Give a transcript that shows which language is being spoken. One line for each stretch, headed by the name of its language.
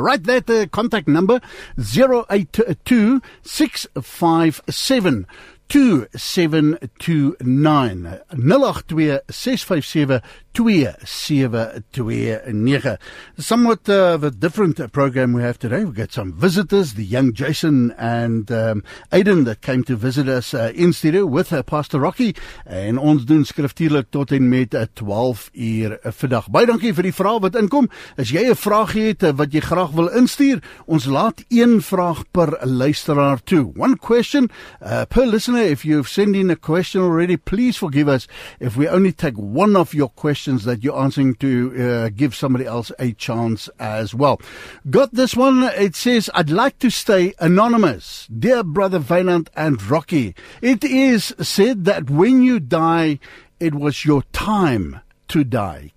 English: Write that contact number, 082-657-2729. Somewhat of a different program we have today. We've got some visitors, the young Jason and Aiden that came to visit us in studio with Pastor Rocky.
Afrikaans: En ons doen skriftuurlik tot en met 12 uur vandag. Baie dankie vir die vraag wat inkom. As jy 'n vraag het wat jy graag wil instuur, ons laat een vraag per luisteraar toe.
English: One question per listener. If you've sent in a question already, please forgive us if we only take one of your questions that you're answering to give somebody else a chance as well. Got this one. It says, I'd like to stay anonymous. Dear Brother Valiant and Rocky, it is said that when you die, it was your time to die.